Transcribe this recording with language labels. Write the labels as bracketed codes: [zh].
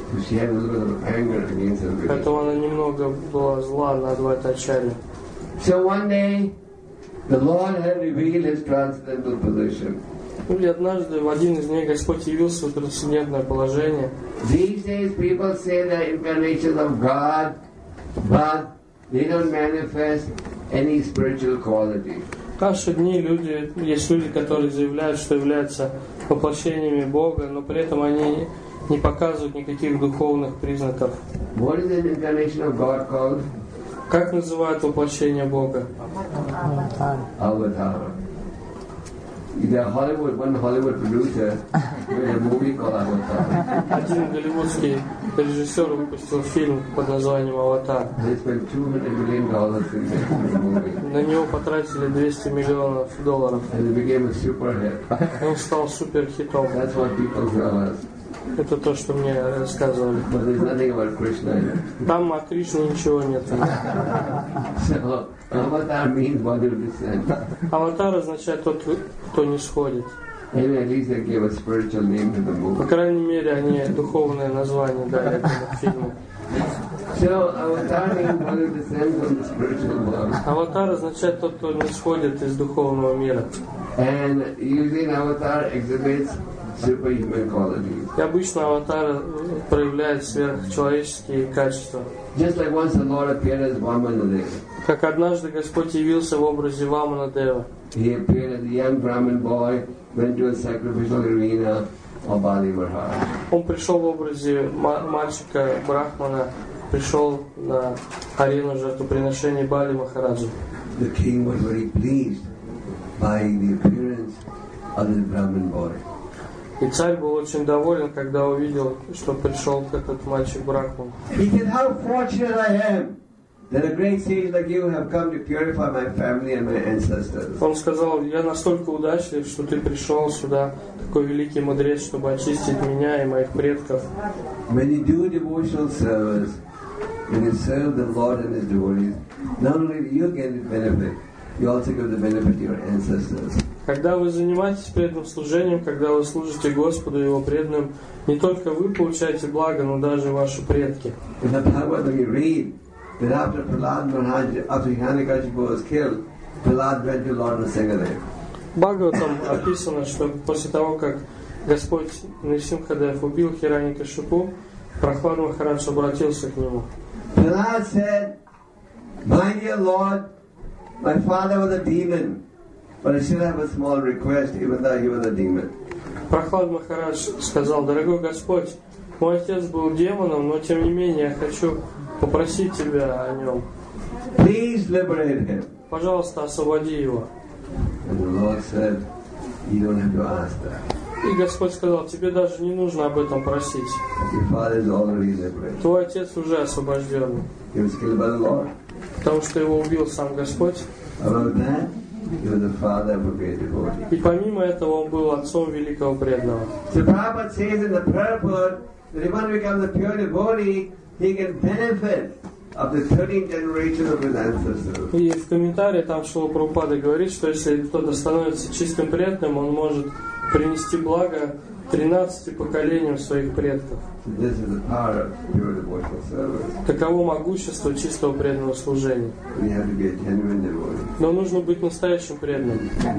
[ru] Поэтому она немного была зла на Двайтачарью. [en] So one day, the Lord had revealed his transcendental position. [ru] И однажды в один из дней Господь явил свое трансцендентное положение. [en] These days people say the incarnations of God, but they don't manifest any spiritual quality. [ru] В наши дни люди, есть люди, которые заявляют, что являются воплощениями Бога, но при этом они не показывают никаких духовных признаков. [en] What is an incarnation of God called? [ru] Как называют воплощение Бога? Аватар. Аватар. [en] The Hollywood, one Hollywood producer made a movie called Аватар. [ru] Один голливудский режиссер выпустил фильм под названием Аватар. [en] They spent $200 million in making the movie. [ru] На него потратили $200 [en] million. And it became a super hit. [ru] Он стал супер хитом. [en] That's what people tell us. [ru] Это то, что мне рассказывали. [en] But there's nothing about Krishna. [ru] Там о Кришне ничего нет. [en] Аватар means one who descends. [ru] Аватар означает тот, кто не сходит. [en] Anyway, at least they gave a spiritual name to the movie. [ru] По крайней мере, они духовное название дали этому фильму. [en] So Аватар means one who descends from the spiritual world. [ru] Аватар означает тот, кто не сходит из духовного мира. [en] And using Аватар exhibits superhuman qualities. [ru] И обычно аватар проявляет сверхчеловеческие качества. [en] Just like once the Lord appeared as Vamanadeva. [ru] Как однажды Господь явился в образе Вамана-дева. [en] He appeared as a young Brahmin boy, went to a sacrificial arena of Bali Maharaj. [ru] Он пришел в образе мальчика брахмана, пришел на арену жертвоприношения Бали Махараджа. [en] The king was very pleased by the appearance of the Brahmin boy. [ru] И царь был очень доволен, когда увидел, что пришел этот мальчик брахман. [en] He said, "How fortunate I am that a great sage like you have come to purify my family and my ancestors." [ru] Он сказал: "Я настолько удачлив, что ты пришел сюда, такой великий мудрец, чтобы очистить меня и моих предков." [en] When you do devotional service, when you serve the Lord and His devotees, not only do you get the benefit, you also give the benefit to your ancestors. [ru] Когда вы занимаетесь преданным служением, когда вы служите Господу и Его преданным, не только вы получаете благо, но даже ваши предки. [en] In the Bhagavad we read that after Prahlad Maharaj, after Hiranyakashipu was killed, Prahlad went to Lord Narasimhadev. [ru] Бхагаватам описано, что после того, как Господь Нарсимхадев убил Хираньякашипу, Прахлад Махарадж обратился к нему. [en] Prahlad said, "My dear Lord, my father was a demon. But I still have a small request, even though he was a demon." [ru] Прахлад Махарадж сказал: "Дорогой Господь, мой отец был демоном, но тем не менее я хочу попросить тебя о нем. [en] Please liberate him." [ru] Пожалуйста, освободи его. [en] And the Lord said, "You don't have to ask that." [ru] И Господь сказал: "Тебе даже не нужно об этом просить. [en] Your father is already liberated." [ru] Твой отец уже освобожден. [en] He was killed by the Lord. [ru] Потому что его убил сам Господь. [en] About that? He was the father of a great devotee. [ru] И помимо этого он был отцом великого преданного. [en] So Prabhupada says in the purport that if one becomes a pure devotee, he can benefit of the 13 generations of his ancestors. [ru] И в комментарии там Шрила Прабхупада говорит, что если кто-то становится чистым преданным, он может принести благо 13 поколениям своих предков. [en] This is the power of pure devotional service. [ru] Таково могущество чистого преданного служения. [en] We have to be a genuine devotee. [ru] Но нужно быть настоящим преданным.